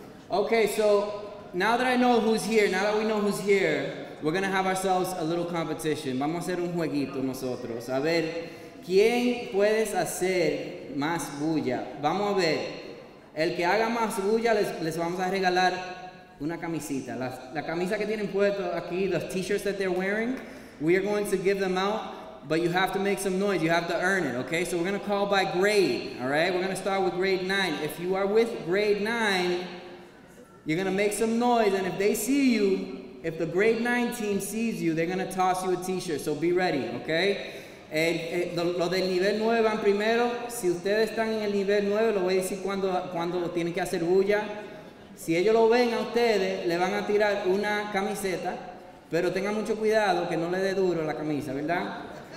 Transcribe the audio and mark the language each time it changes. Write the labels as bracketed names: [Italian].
[English] Okay, so now that I know who's here, now that we know who's here, we're gonna have ourselves a little competition. [Spanish] Vamos a hacer un jueguito nosotros. A ver, ¿quién puedes hacer más bulla? Vamos a ver, el que haga más bulla, les vamos a regalar una camisita, la camisa que tienen puesto aquí, [English] the t-shirts that they're wearing, we are going to give them out, but you have to make some noise, you have to earn it, okay? So we're gonna call by grade, all right? We're gonna start with grade 9. If you are with grade 9, you're gonna make some noise, and if they see you, if the grade 9 team sees you, they're gonna toss you a t-shirt, so be ready, okay? [Spanish] Lo del nivel 9 van primero. Si ustedes están en el nivel 9, lo voy a decir cuando tienen que hacer bulla. Si ellos lo ven a ustedes, le van a tirar una camiseta, pero tengan mucho cuidado que no le dé duro la camisa, ¿verdad?